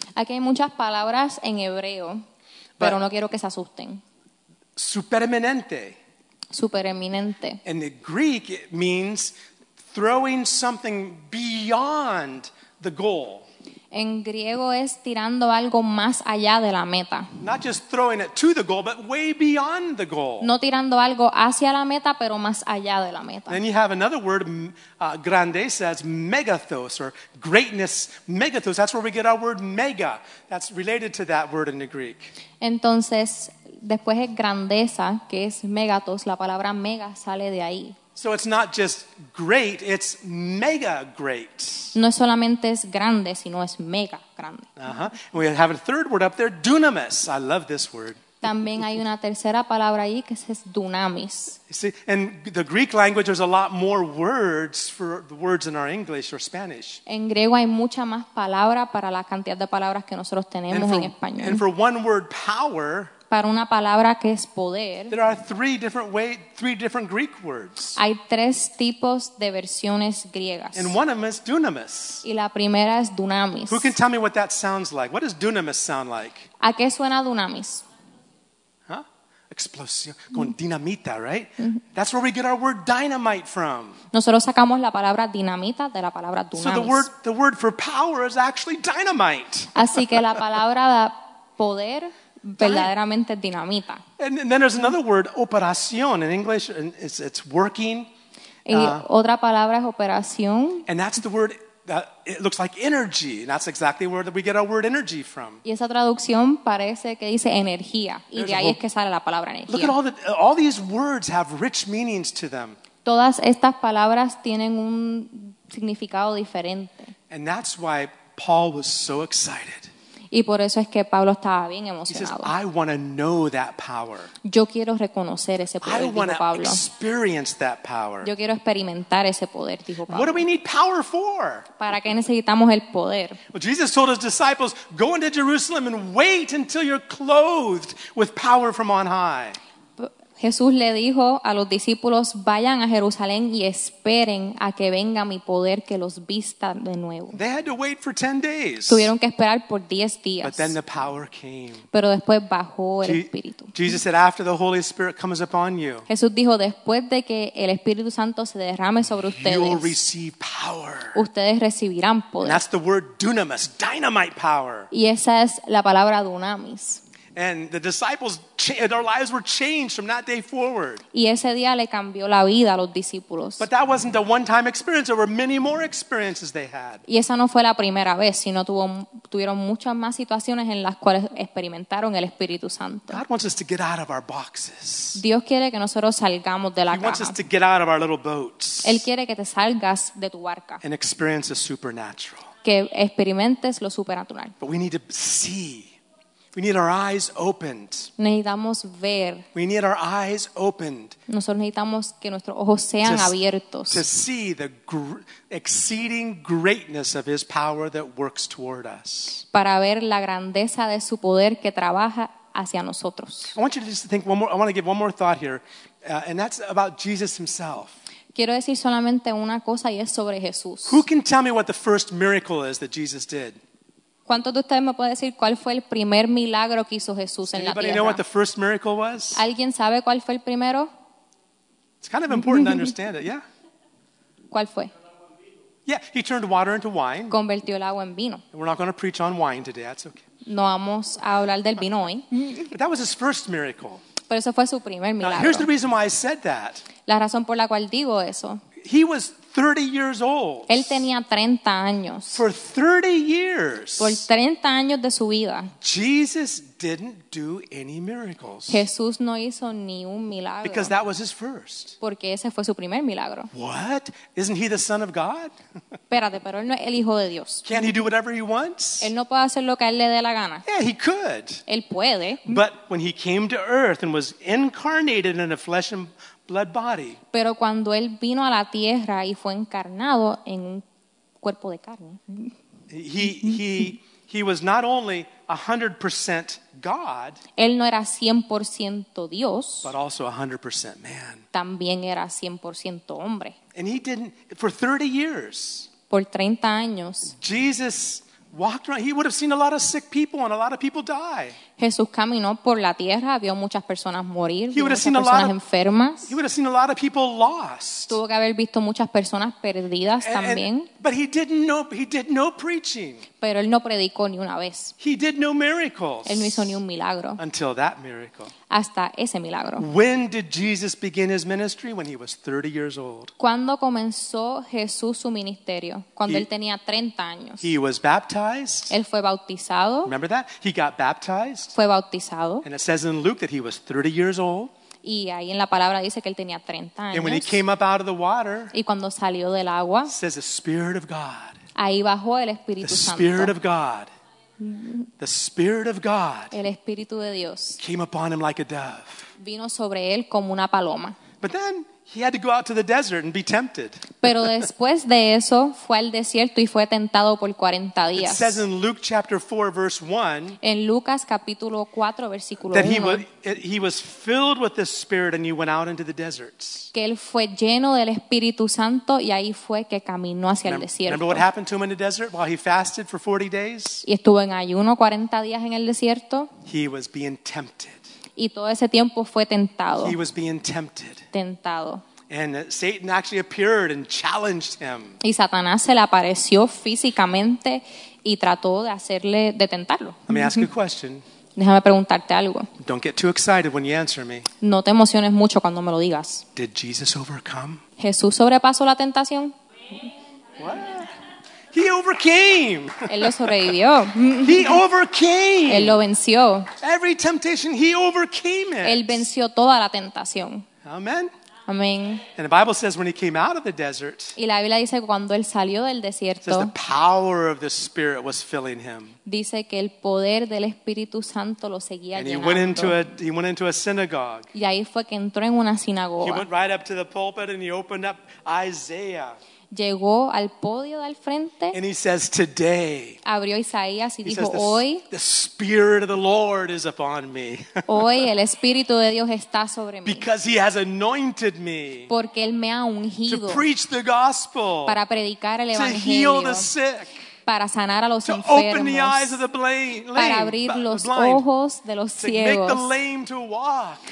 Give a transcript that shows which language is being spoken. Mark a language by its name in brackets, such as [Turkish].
[Spanish] Aquí hay muchas palabras en hebreo, pero no quiero que se asusten. Supereminente. Supereminente. [English] In the Greek, it means throwing something beyond the goal. [Spanish] En griego es tirando algo más allá de la meta. [English] Not just throwing it to the goal, but way beyond the goal. [Spanish] No tirando algo hacia la meta, pero más allá de la meta. [English] Then you have another word, grandeza, it's megathos, or greatness, megathos. That's where we get our word mega. That's related to that word in the Greek. [Spanish] Entonces, después es grandeza, que es megathos. La palabra mega sale de ahí. [English] So it's not just great, it's mega great. [Spanish] No solamente es grande, sino es mega grande. Uh-huh. [English] We have a third word up there, dunamis. I love this word. [Spanish] También hay una tercera palabra ahí que es dunamis. [English] See, in the Greek language, there's a lot more words for the words in our English or Spanish. [Spanish] En griego hay mucha más palabra para la cantidad de palabras que nosotros tenemos en español. [English] And for one word, power, [Spanish] para una palabra que es poder, [English] there are three different Greek words. [Spanish] Hay tres tipos de versiones griegas. [English] And one of them is dunamis. [Spanish] Y la primera es dunamis. [English] Who can tell me what that sounds like? What does dunamis sound like? [Spanish] ¿A qué suena dunamis? Huh? Explosión. Con dinamita, right? Mm-hmm. [English] That's where we get our word dynamite from. [Spanish] Nosotros sacamos la palabra dinamita de la palabra dunamis. [English] So the word for power is actually dynamite. [Spanish] Así que la palabra de poder verdaderamente dinamita. [English] And then there's another word, operación, in English, and it's working. [Spanish] Y otra palabra es operación. [English] And that's the word it looks like energy, and that's exactly where we get our word energy from. [Spanish] Y esa traducción parece que dice energía, y de ahí es que sale la palabra energía. [English] Look at all these words have rich meanings to them. [Spanish] Todas estas palabras tienen un significado diferente. [English] And that's why Paul was so excited. [Spanish] Y por eso es que Pablo estaba bien emocionado. [English] He says, I want to know that power. [Spanish] Yo quiero reconocer ese poder, dijo Pablo. [English] I want to experience that power. [Spanish] Yo quiero experimentar ese poder, dijo Pablo. [English] What do we need power for? [Spanish] ¿Para qué necesitamos el poder? [English] Well, Jesus told his disciples, go into Jerusalem and wait until you're clothed with power from on high. [Spanish] Jesús le dijo a los discípulos, vayan a Jerusalén y esperen a que venga mi poder que los vista de nuevo. [English] They had to wait for 10 days. [Spanish] Tuvieron que esperar por 10 días. [English] But then the power came. [Spanish] Pero después bajó el Espíritu. [English] Jesus said, after the Holy Spirit comes upon you, [Spanish] Jesús dijo, después de que el Espíritu Santo se derrame sobre ustedes, [English] you'll receive power. [Spanish] Ustedes recibirán poder. [English] And that's the word dunamis, dynamite power. [Spanish] Y esa es la palabra dunamis. [English] And the disciples, their lives were changed from that day forward. [Spanish] Y ese día le cambió la vida a los discípulos. [English] But that wasn't a one-time experience. There were many more experiences they had. [Spanish] Y esa no fue la primera vez, sino tuvieron muchas más situaciones en las cuales experimentaron el Espíritu Santo. [English] God wants us to get out of our boxes. [Spanish] Dios quiere que nosotros salgamos de la caja. [English] He wants us to get out of our little boats. [Spanish] Él quiere que te salgas de tu barca. [English] And experience the supernatural. [Spanish] Que experimentes lo supernatural. [English] But we need to see. We need our eyes opened. [Spanish] Necesitamos ver. [English] We need our eyes opened. [Spanish] Nosotros necesitamos que nuestros ojos sean abiertos. [English] To see the exceeding greatness of His power that works toward us. [Spanish] Para ver la grandeza de su poder que trabaja hacia nosotros. [English] I want you to just think one more. I want to give one more thought here, and that's about Jesus Himself. [Spanish] Quiero decir solamente una cosa y es sobre Jesús. [English] Who can tell me what the first miracle is that Jesus did? [Spanish] ¿Cuántos de ustedes me pueden decir cuál fue el primer milagro que hizo Jesús en la tierra? [English] Anybody know what the first miracle was? [Spanish] ¿Alguien sabe cuál fue el primero? [English] It's kind of important to understand it, yeah. [Spanish] ¿Cuál fue? [English] Yeah, he turned water into wine. [Spanish] Convirtió el agua en vino. [English] We're not going to preach on wine today, that's okay. [Spanish] No vamos a hablar del vino hoy. [English] But that was his first miracle. [Spanish] Pero eso fue su primer milagro. [English] Now, here's the reason why I said that. [Spanish] La razón por la cual digo eso. [English] He was 30 years old. [Spanish] Él tenía 30 años. [English] For 30 years. [Spanish] Por 30 años de su vida. [English] Jesus didn't do any miracles. [Spanish] Jesús no hizo ni un milagro. [English] Because that was his first. [Spanish] Porque ese fue su primer milagro. [English] What? Isn't he the Son of God? [Spanish] Espérate, pero él no es el Hijo de Dios. [English] Can't he do whatever he wants? [Spanish] Él no puede hacer lo que a él le dé la gana. [English] Yeah, he could. [Spanish] Él puede. [English] But when he came to earth and was incarnated in a flesh and blood body. [Spanish] Pero cuando él vino a la tierra y fue encarnado en un cuerpo de carne. [English] He was not only 100% God. [Spanish] Él no era 100% Dios. [English] But also 100% man. [Spanish] También era 100% hombre. [English] And he didn't for 30 years. [Spanish] Por 30 años. [English] Jesus walked around. He would have seen a lot of sick people and a lot of people die. [Spanish] Jesús caminó por la tierra, vio muchas personas morir, [English] he would have [Spanish] muchas [English] seen a [Spanish] personas [English] lot of, [Spanish] enfermas. [English] He would have seen a lot of people lost. [Spanish] Tuvo que haber visto muchas personas perdidas también. [English] But he did no preaching. [Spanish] Pero él no predicó ni una vez. [English] He did no miracles. [Spanish] Él no hizo ni un milagro. [English] Until that miracle. [Spanish] Hasta ese milagro. [English] When did Jesus begin his ministry? When he was 30 years old. [Spanish] ¿Cuándo comenzó Jesús su ministerio? Cuando él tenía 30 años. [English] He was baptized. [Spanish] Él fue bautizado. [English] Remember that? He got baptized. [Spanish] Fue bautizado. [English] And it says in Luke that he was 30 years old. [Spanish] Y ahí en la palabra dice que él tenía 30 años. [English] And when he came up out of the water, [Spanish] y cuando salió del agua, [English] it says the Spirit of God. [Spanish] Ahí bajó el Espíritu Santo. [English] The Spirit of God. The Spirit of God. [Spanish] El Espíritu de Dios. [English] Came upon him like a dove. [Spanish] Vino sobre él como una paloma. [English] But then he had to go out to the desert and be tempted. [Spanish] Pero después de eso, fue al desierto y fue tentado por 40 días. [English] It says in Luke chapter 4 verse 1. [Spanish] En Lucas capítulo 4 versículo 1. [English] That he was filled with the Spirit and he went out into the deserts. [Spanish] Que él fue lleno del Espíritu Santo y ahí fue que caminó hacia el desierto. [English] Remember what happened to him in the desert while he fasted for 40 days? [Spanish] Y estuvo en ayuno 40 días en el desierto. [English] He was being tempted. [Spanish] Y todo ese tiempo fue tentado. [English] He was being tempted. [Spanish] Tentado. [English] And Satan actually appeared and challenged him. [Spanish] Y Satanás se le apareció físicamente y trató de hacerle de tentarlo. [English] Let me ask you a question. [Spanish] Déjame preguntarte algo. [English] Don't get too excited when you answer me. [Spanish] No te emociones mucho cuando me lo digas. [English] Did Jesus overcome? [Spanish] ¿Jesús sobrepasó la tentación? [English] What? He overcame. [Spanish] Él lo sobrevivió. [English] He overcame. [Spanish] Él lo venció. [English] Every temptation, he overcame it. [Spanish] Él venció toda la tentación. [English] Amen. [Spanish] Amen. [English] And the Bible says when he came out of the desert, [Spanish] y la Biblia dice cuando él salió del desierto, [English] it says the power of the Spirit was filling him. [Spanish] Dice que el poder del Espíritu Santo lo seguía [English] and [Spanish] llenando. [English] He went into a synagogue. [Spanish] Y ahí fue que entró en una sinagoga. [English] He went right up to the pulpit and he opened up Isaiah. [Spanish] Llegó al podio del frente. [English] And he says, today. [Spanish] Abrió Isaías y dijo, hoy. [English] The Spirit of the Lord is upon me. [Spanish] Hoy el Espíritu de Dios está sobre mí. [English] Because he has anointed me. [Spanish] Porque él me ha ungido. [English] To preach the gospel. [Spanish] Para predicar el evangelio. [English] To heal the sick. [Spanish] Para sanar a los [English] to [Spanish] enfermos. [English] To open the eyes of the blind. [Spanish] Para abrir los ojos de los ciegos. [English] To make the lame to walk.